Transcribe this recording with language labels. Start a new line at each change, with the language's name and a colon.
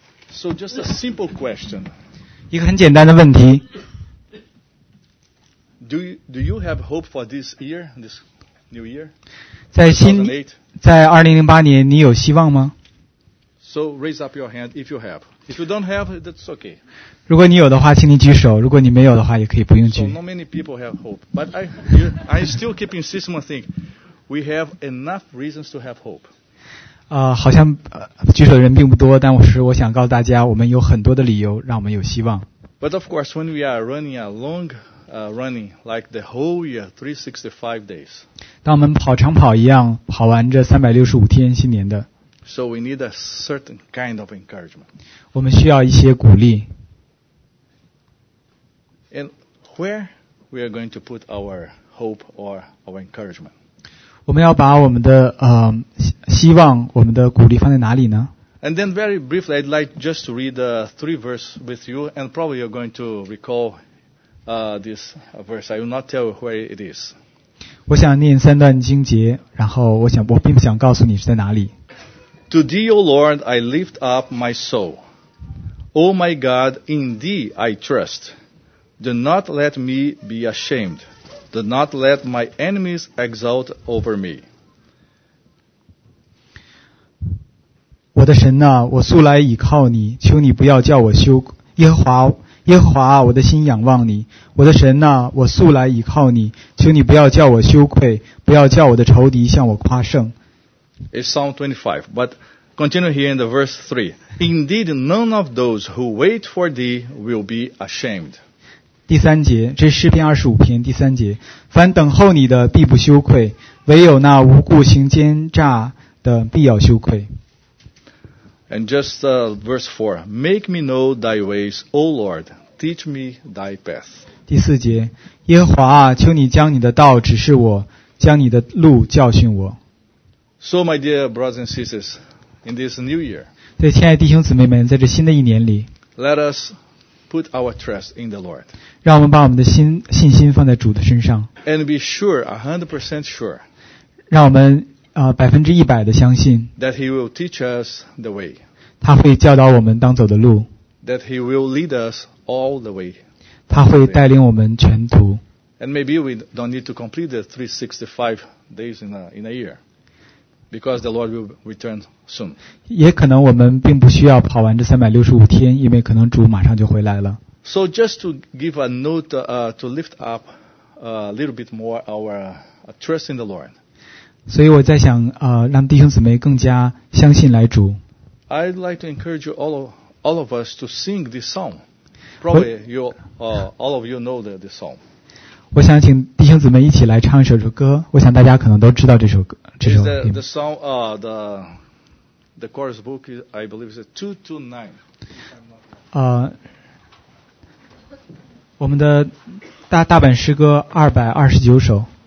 English: So just a simple question.
Chinese: 一个很简单的问题。
English: Do you have hope for this year, this new year?
Chinese: 在2008年，你有希望吗？
English: So raise up your hand if you have. If you don't have, that's okay.
Chinese: 如果你有的话，请你举手；如果你没有的话，也可以不用举。
English: So not many people have hope, but I still keep insisting one thing. We have enough reasons to have hope.
Chinese: 好像举手的人并不多，但我想告诉大家，我们有很多的理由让我们有希望。
English: But of course, when we are running a long, running like the whole year, 365 days.
Chinese: 当我们跑长跑一样，跑完这365天新年的。
English: So we need a certain kind of encouragement.
Chinese: 我们需要一些鼓励。
English: And where we are going to put our hope or our encouragement?
Chinese: 我们要把我们的希望，我们的鼓励放在哪里呢？
English: And then very briefly, I'd like just to read three verses with you, and probably you're going to recall this verse. I will not tell you where it is.
Chinese: 我想念三段经节，然后我并不想告诉你是在哪里。
English: To thee, O Lord, I lift up my soul. O my God, in thee I trust. Do not let me be ashamed. Do not let my enemies exult over me.
Chinese: 我的神啊，我素来倚靠你，求你不要叫我羞愧。耶和华，我的心仰望你。我的神啊，我素来倚靠你，求你不要叫我羞愧，不要叫我的仇敌向我夸胜。
English: It's Psalm 25, but continue here in the verse 3. Indeed, none of those who wait for thee will be ashamed.
Chinese: 第三节，这是诗篇25篇第三节。凡等候你的必不羞愧，唯有那无故行奸诈的必要羞愧。
English: And just verse 4. Make me know thy ways, O Lord. Teach me thy path.
Chinese: 第四节，耶和华啊，求你将你的道指示我，将你的路教训我。
English: So, my dear brothers and sisters, in this new year,
Chinese: 对亲爱弟兄姊妹们，在这新的一年里，
English: let us put our trust in the Lord.
Chinese: 让我们把我们的信心放在主的身上。
English: And be sure, 100% sure.
Chinese: 让我们100%的相信。
English: That He will teach us the way.
Chinese: 他会教导我们当走的路。
English: That He will lead us all the way.
Chinese: 他会带领我们全途。
English: And maybe we don't need to complete the 365 days in a year. Because the Lord will return soon.
Chinese: 也可能我们并不需要跑完这365天，因为可能主马上就回来了。
English: So just to give a note, to lift up a little bit more our trust in the Lord.
Chinese: 所以我在想，让弟兄姊妹更加相信来主。
English: I'd like to encourage you all of us to sing this song. Probably you, all of you know this song.
Chinese: 我想请弟兄姊妹一起来唱一首歌，我想大家可能都知道这首歌。
English: Is the song the chorus book is, I believe is 229.
Chinese: 我们的大本诗歌229首。